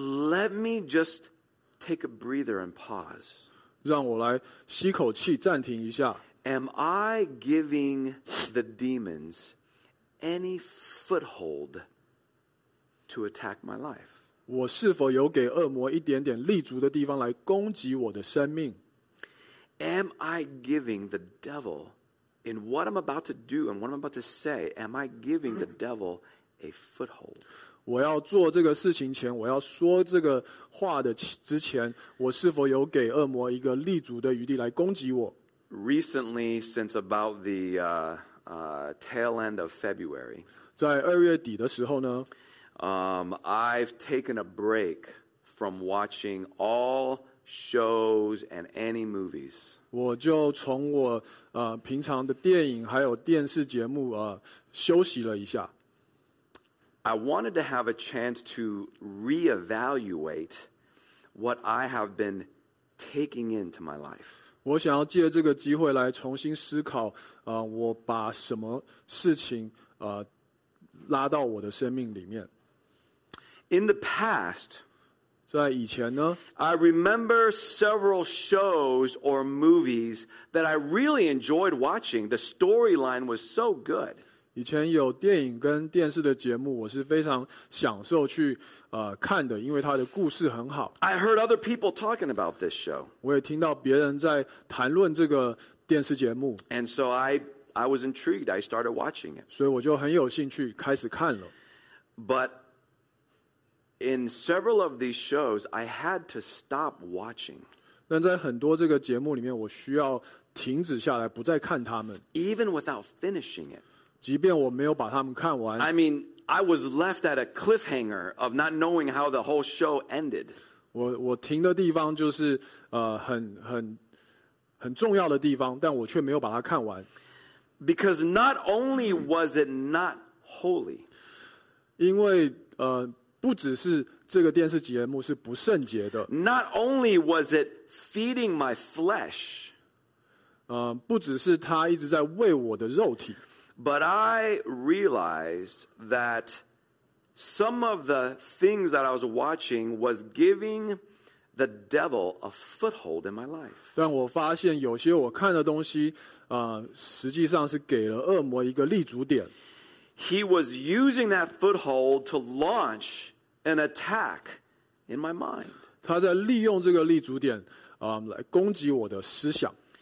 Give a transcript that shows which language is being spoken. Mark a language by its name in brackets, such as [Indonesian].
[English] Let me just take a breather and pause. [Chinese] 让我来吸口气暂停一下。 [English] Am I giving the demons any foothold to attack my life? [Chinese] 我是否有给恶魔一点点立足的地方来攻击我的生命？ [English] Am I giving the devil, in what I'm about to do and what I'm about to say, am I giving the devil a foothold. [Chinese] 我要做这个事情前，我要说这个话的之前，我是否有给恶魔一个立足的余地来攻击我？ [English] Recently, since about the tail end of February, [Chinese] 在二月底的时候呢， [English] I've taken a break from watching all shows and any movies. [Chinese] 我就从我平常的电影还有电视节目休息了一下。 [English] I wanted to have a chance to reevaluate what I have been taking into my life. [Chinese] 我想要借这个机会来重新思考，我把什么事情，拉到我的生命里面。 [English] In the past, [Chinese] 在以前呢， [English] I remember several shows or movies that I really enjoyed watching. The storyline was so good. [Chinese] 以前有电影跟电视的节目，我是非常享受去看的，因为它的故事很好。 [English] I heard other people talking about this show. [Chinese] 我也听到别人在谈论这个电视节目。 [English] And so I was intrigued. I started watching it. [Chinese] 所以我就很有兴趣开始看了。 [English] But in several of these shows, I had to stop watching. [Chinese] 但在很多这个节目里面，我需要停止下来，不再看他们。 [English] Even without finishing it. [Chinese] 即便我没有把他们看完， [English] I mean, I was left at a cliffhanger of not knowing how the whole show ended. [Chinese] 我停的地方就是很重要的地方，但我却没有把它看完。 [English] Because not only was it not holy, [Chinese] 因为不只是这个电视节目是不圣洁的。 [English] Not only was it feeding my flesh, [Chinese] 不只是它一直在喂我的肉体。 [English] But I realized that some of the things that I was watching was giving the devil a foothold in my life. [Chinese] 但我发现有些我看的东西, 实际上是给了恶魔一个立足点。 [English] He was using that foothold to launch an attack in my mind. [Chinese] 他在利用这个立足点, 来攻击我的思想。